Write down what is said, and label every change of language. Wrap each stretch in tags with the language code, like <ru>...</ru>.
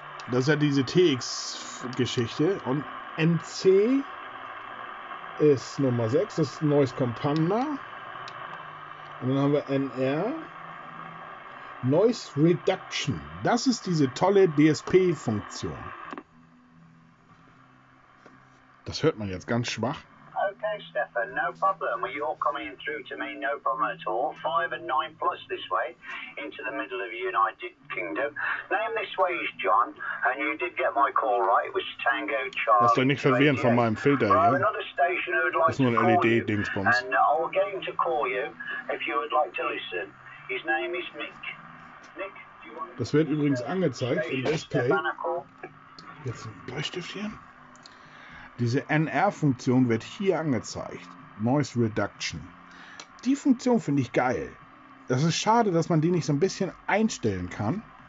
<de>Das ist ja diese TX-Geschichte. Und NC ist Nummer 6. Das ist Noise Companion. Und dann haben wir NR. Noise Reduction. Das ist diese tolle DSP-Funktion. Das hört man jetzt ganz schwach.</de> <en>Okay, Stefan, no problem. Well, you're coming through to me, no problem at all. 5 and 9 plus this way, into the middle of the United Kingdom. Name this way is John, and you did get my call right. It was Tango Charlie.</en> <de>Lass dich nicht verwirren von meinem Filter, ja? Das ist nur ein LED-Dingsbums.</de> <en>And I'll get him to call you, if you would like to listen. His name is Mick. Mick, do you want to...</en> <de>Das wird übrigens angezeigt im Display. Jetzt ein Bleistift hier. Diese NR-Funktion wird hier angezeigt. Noise Reduction. Die Funktion finde ich geil. Das ist schade, dass man die nicht so ein bisschen einstellen kann.</de>